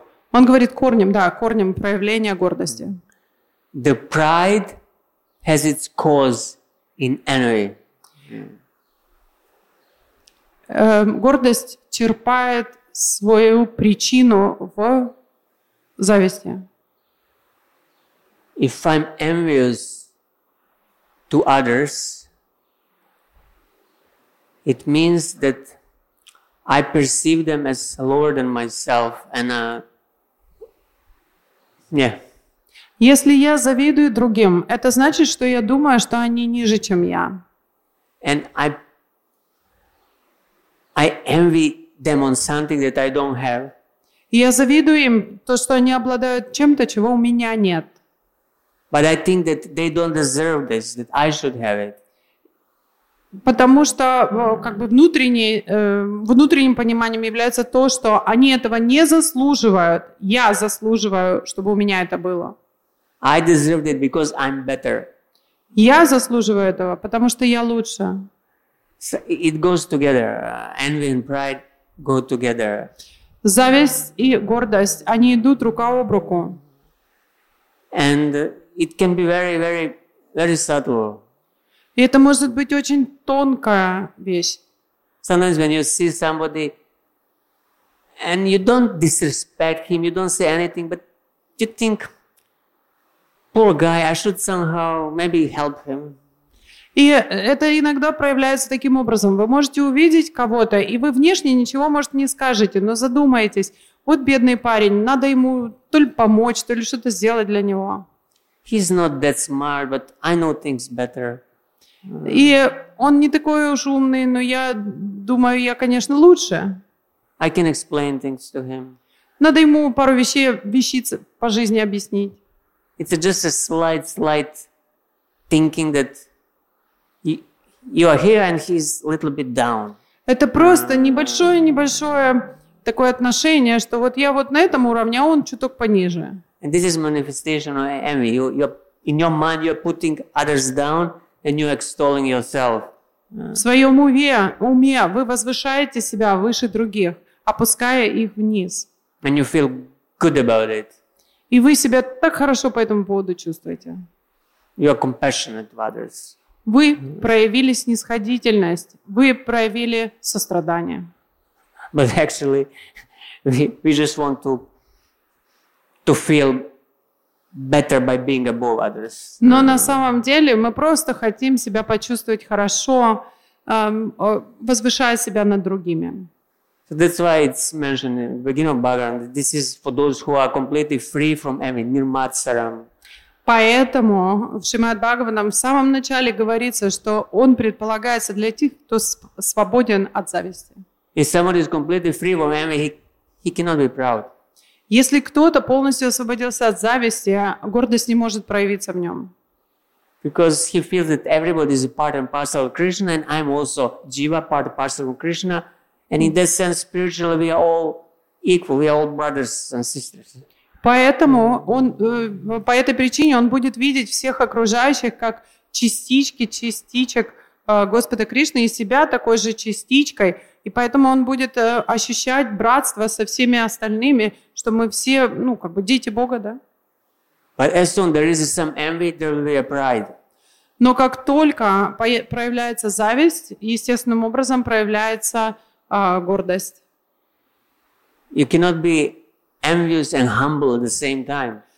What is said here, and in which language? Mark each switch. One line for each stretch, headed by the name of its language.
Russian: Он говорит корнем, да, корнем проявления гордости.
English: The pride has its cause in envy.
Russian: Гордость черпает свою причину в зависти.
English: If I'm envious to others, it means that I perceive them as lower than myself and
Russian: Если я завидую другим, это значит, что я думаю, что они ниже, чем я.
English: And I envy them on something that I don't have.
Russian: Я завидую им то, что они обладают чем-то, чего у меня нет.
English: But I think that they don't deserve this, that I should have it.
Russian: Потому что как бы внутренним пониманием является то, что они этого не заслуживают. Я заслуживаю, чтобы у меня это было.
English: I deserve it because I'm better.
Russian: Я заслуживаю этого, потому что я лучше.
English: So it goes together. Envy and pride go together.
Russian: Зависть и гордость, они идут рука об руку.
English: And it can be very, very, very subtle.
Russian: И это может быть очень тонкая вещь.
English: Sometimes when you see somebody and you don't disrespect him, you don't say anything, but you think, poor guy, I should somehow maybe help him.
Russian: И это иногда проявляется таким образом. Вы можете увидеть кого-то, и вы внешне ничего, может, не скажете, но задумаетесь, вот бедный парень, надо ему то ли помочь, то ли что-то сделать для него.
English: He's not that smart, but I know things better.
Russian: И он не такой уж умный, но я думаю, я, конечно, лучше.
English: I can explain things to him.
Russian: Надо ему пару вещиц по жизни объяснить.
English: It's just a slight thinking that you are here and he's a little bit down.
Russian: Это просто небольшое такое отношение, что вот я вот на этом уровне, а он чуток пониже.
English: And this is manifestation of envy. In your mind you're putting others down. And you're extolling yourself.
Russian: В своем уме вы возвышаете себя выше других, опуская их вниз.
English: And you feel good about it.
Russian: И вы себя так хорошо по этому поводу чувствуете.
English: You're compassionate to others.
Russian: Вы проявили снисходительность, вы проявили сострадание.
English: But actually, we just want to feel better by being above others.
Russian: Но на самом деле мы просто хотим себя почувствовать хорошо, возвышая себя над другими.
English: So that's why it's mentioned in the beginning of Bhagavan. This is for those who are completely free from envy, nirmatsaram.
Russian: Поэтому в Шримад Бхагаванам в самом начале говорится, что он предполагается для тех, кто свободен от зависти.
English: If somebody is completely free from envy, he cannot be proud.
Russian: Если кто-то полностью освободился от зависти, гордость не может проявиться в нем.
English: Because he feels that everybody is a part and parcel of Krishna, and I'm also jiva, part and parcel of Krishna, and in that sense, spiritually, we are all equal, we are all brothers and sisters.
Russian: Поэтому он по этой причине он будет видеть всех окружающих как частичек Господа Кришны и себя такой же частичкой. И поэтому он будет ощущать братство со всеми остальными, что мы все, ну, как бы дети Бога, да?
English: But as soon there is some envy, there will be a pride.
Russian: Но как только проявляется зависть, естественным образом проявляется гордость.
English: You cannot be envious and humble at the same time.